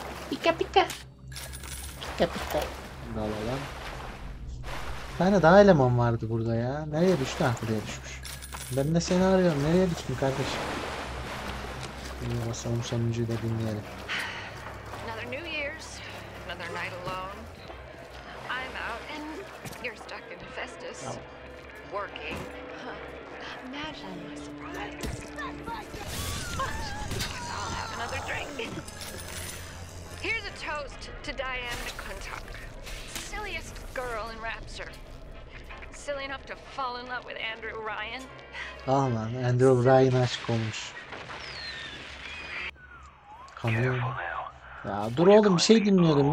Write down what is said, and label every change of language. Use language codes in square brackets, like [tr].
[tr] Pika pika. Pika pika. Dal alan. Bir tane daha eleman vardı burada ya. Nereye düştü? Ha, buraya düşmüş. Ben de seni arıyorum. Nereye düştün kardeşim? Masamın sonuncuyu da dinleyelim. [en] Another New Year's, another night alone. I'm out and you're stuck in Hephaestus, working. Imagine my surprise. I'll have another drink. Here's a toast to Diane McClintock, silliest girl in Rapture. Silly enough to fall in love with Andrew Ryan. [tr] Ah lan, Andrew Ryan aşk olmuş. Kanıyorum. Ya dur oğlum, bir şey dinliyordum.